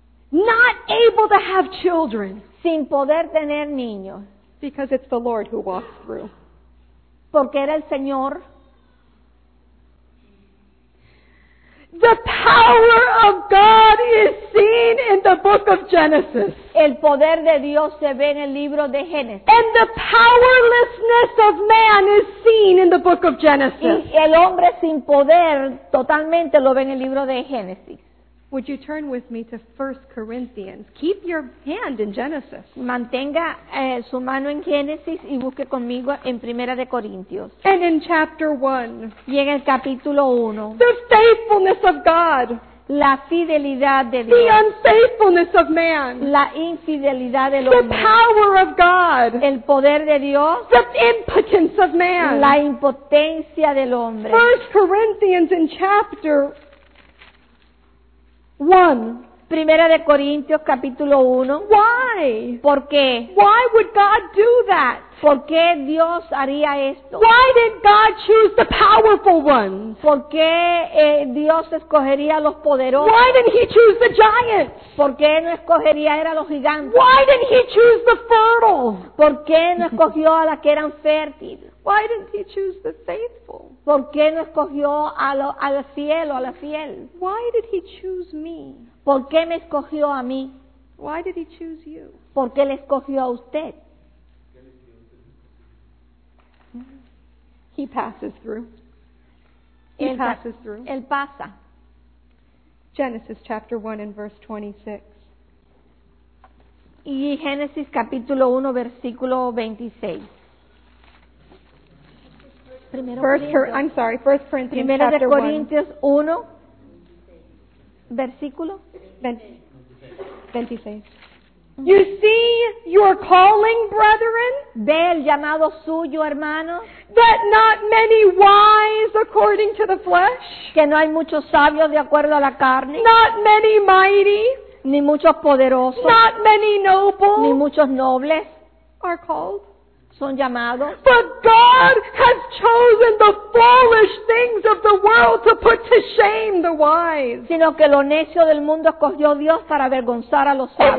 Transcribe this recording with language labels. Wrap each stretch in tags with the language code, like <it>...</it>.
<en>Not able to have children.</en> <es>Sin poder tener niños.</es> <en>Because it's the Lord who walks through.</en> <es>Porque era el Señor.</es> <en>The power of God is seen in the book of Genesis.</en> <es>El poder de Dios se ve en el libro de Génesis.</es> <en>And the powerlessness of man is seen in the book of Genesis.</en> <es>Y el hombre sin poder totalmente lo ve en el libro de Génesis.</es> <en>Would you turn with me to 1 Corinthians? Keep your hand in Genesis.</en> <es>Mantenga su mano en Génesis y busque conmigo en Primera de Corintios.</es> <en>And in chapter 1.</en> <es>Y en el capítulo 1.</es> <en>The faithfulness of God.</en> <es>La fidelidad de Dios.</es> <en>The unfaithfulness of man.</en> <es>La infidelidad del hombre.</es> <en>The power of God.</en> <es>El poder de Dios.</es> <en>The impotence of man.</en> <es>La impotencia del hombre.</es> <en>1 Corinthians in chapter 1.</en> <es>Primera de Corintios capítulo 1.</es> <en>Why?</en> <es>¿Por qué?</es> <en>Why would God do that?</en> <es>¿Por qué Dios haría esto?</es> <en>Why did God choose the powerful ones?</en> <es>¿Por qué Dios escogería a los poderosos?</es> <en>Why didn't he choose the giants?</en> <es>¿Por qué no escogería a los gigantes?</es> <en>Why didn't he choose the fertile?</en> <es>¿Por qué no escogió a las que eran fértiles?</es> <en>Why didn't he choose the faithful?</en> <es>¿Por qué no escogió a al fiel o a la fiel?</es> <en>Why did he choose me?</en> <es>¿Por qué me escogió a mí?</es> <en>Why did he choose you?</en> <es>¿Por qué le escogió a usted?</es> <en>He passes through. He passes through.</en> <es>Él pasa.</es> <en>Genesis chapter 1 and verse 26.</en> <es>Y Génesis capítulo 1 versículo 26.</es> <en>1 Corinthians chapter 1.</en> <es>Primera de Corintios 1, versículo</es> <en>26. You see your calling, brethren?</en> <es>Ve el llamado suyo, hermanos.</es> <en>That not many wise according to the flesh.</en> <es>Que no hay muchos sabios de acuerdo a la carne.</es> <en>Not many mighty.</en> <es>Ni muchos poderosos.</es> <en>Not many noble.</en> <es>Ni muchos nobles.</es> <en>Are called.</en> <es>Son llamados.</es> <en>But God has chosen the foolish things of the world to put to shame the wise.</en> <es>Sino que lo necio del mundo escogió Dios para avergonzar a los sabios.</es>